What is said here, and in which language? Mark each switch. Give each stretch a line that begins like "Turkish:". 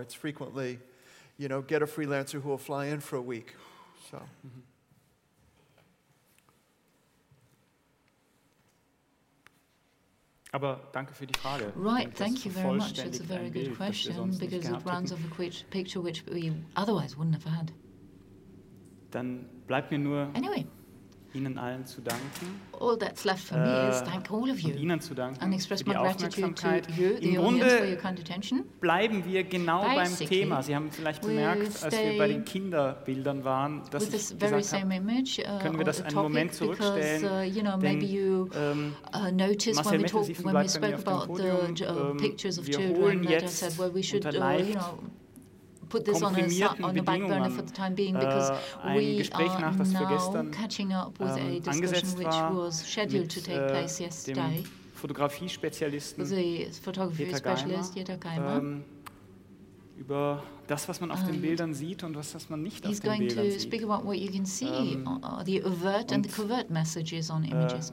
English: It's frequently, you know, get a freelancer who will fly in for a week. So. Mm-hmm.
German: Aber danke für die Frage.
English: Right, thank you very much. It's a very good question, because it rounds off a picture which we otherwise wouldn't have had.
German: Dann bleibt mir nur Ihnen allen zu danken.
English: All that's left for me is thank all of you.
German: Und Ihnen zu danken.
English: And express my gratitude to you, the audience, for your kind attention.
German: Bleiben wir genau beim Thema. Sie haben vielleicht bemerkt, als wir bei den Kinderbildern waren, dass ich gesagt habe, können wir das einen Moment zurückstellen, denn Marcel Mettensiefen bleibt bei mir auf dem Podium. Wir holen jetzt unter Leicht
English: put this on a back burner for the time being, because we are now catching up with a discussion which was scheduled to take place yesterday with the photography specialist Jutta Geimer.
German: Über das, was man auf den Bildern sieht und was man nicht auf den Bildern sieht.
English: He's going to speak about what you can see, the overt and the covert messages on images.